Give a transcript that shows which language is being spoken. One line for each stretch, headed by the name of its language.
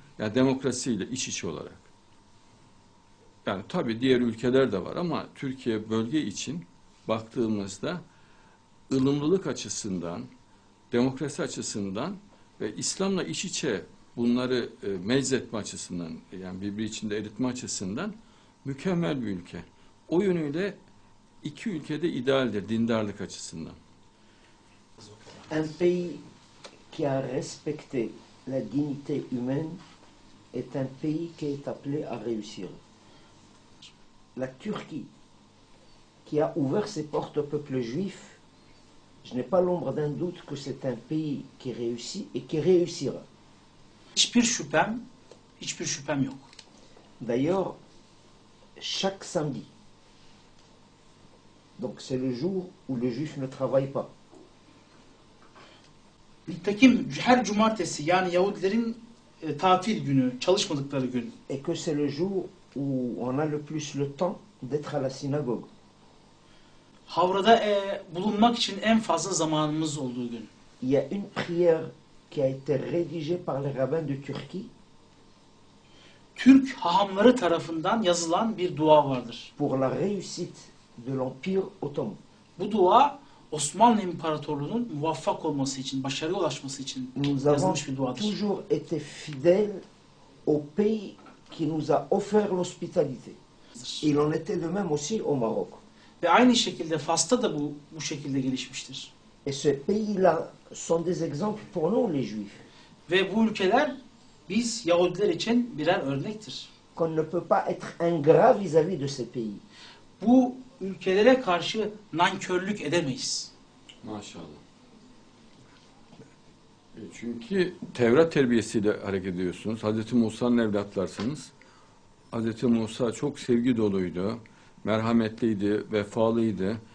Turkish: Yani demokrasiyle iç içe olarak. Yani tabii diğer ülkeler de var ama Türkiye bölge için baktığımızda ılımlılık açısından, demokrasi açısından ve İslam'la iç içe bunları meczetme açısından, yani birbiri içinde eritme açısından mükemmel bir ülke. O yönüyle iki ülkede idealdir dindarlık açısından.
French: Un pays qui a respecté la dignité humaine est un pays qui est appelé à réussir. La Turquie, qui a ouvert ses portes au peuple juif, je n'ai pas l'ombre d'un doute que c'est un pays qui réussit et qui réussira.
Turkish: Hiçbir şüphem yok.
French: D'ailleurs, chaque samedi, donc c'est le jour où le juif ne travaille pas.
Turkish: Nitekim her cumartesi, yani Yahudilerin tatil günü, çalışmadıkları gün.
French: Et que c'est le jour où on a le plus le temps d'être à la synagogue.
Turkish: Havra'da bulunmak için en fazla zamanımız olduğu gün.
French: Il y a une prière qui a été rédigée par les rabbins de Turquie.
Turkish: Türk hahamları tarafından yazılan bir dua vardır.
French: Pour la réussite de l'Empire Ottoman.
Turkish: Bu dua Osmanlı İmparatorluğu'nun muvaffak olması için, başarıya ulaşması için yazılmış bir duadır.
French: Toujours été fidèle au pays qui nous a offert l'hospitalité. Il en était de même aussi au Maroc.
Turkish: Ve aynı şekilde Fas'ta da bu şekilde gelişmiştir.
French: Et ce pays-là sont des exemples pour nous les Juifs.
Turkish: Ve bu ülkeler biz Yahudiler için birer örnektir.
French: Qu'on ne peut pas être ingrat vis-à-vis de ces pays.
Turkish: Bu ülkelere karşı nankörlük edemeyiz. Maşallah. Çünkü Tevrat terbiyesiyle hareket ediyorsunuz. Hazreti Musa'nın evlatlarsınız. Hazreti Musa çok sevgi doluydu, merhametliydi, vefalıydı.